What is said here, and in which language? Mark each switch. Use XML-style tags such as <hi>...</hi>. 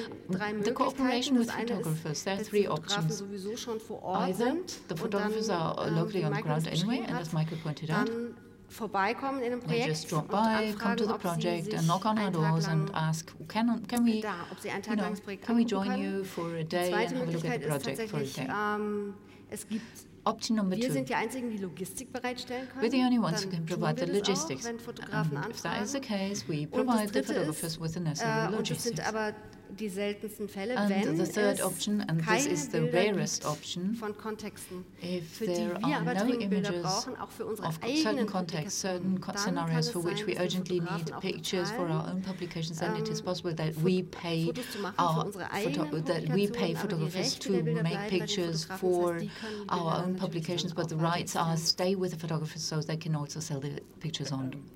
<en>The cooperation with photographers, there are three options. Either the photographers are locally on the ground anyway, and as Michael pointed out,</en> <de>vorbeikommen in einem Projekt,</de> <en>they just drop by, come to the project and knock on our doors and ask, can we, you know, can we join you for a day and have a look at the project for a day?</en> <de>Es gibt</de> <en>option number two.</en> <de>Wir sind die Einzigen, die Logistik bereitstellen können.</de> <en>We're the only ones who can provide the logistics.</en> <de>Auch,</de> <en>if that is the case, we provide the photographers</en> <de>ist,</de> <en>with the necessary logistics.</en> <de>Und wir sind aber die seltensten Fälle, wenn es keine Bilder gibt von Kontexten, für die wir aber Dringbilder brauchen, auch für unsere eigenen Kontexte,</de> <en>certain scenarios for which we urgently need pictures for our own publications, then it is possible that we pay photographers to make pictures for our own publications, but the rights are stay with the photographers so they can also sell the pictures on.</en>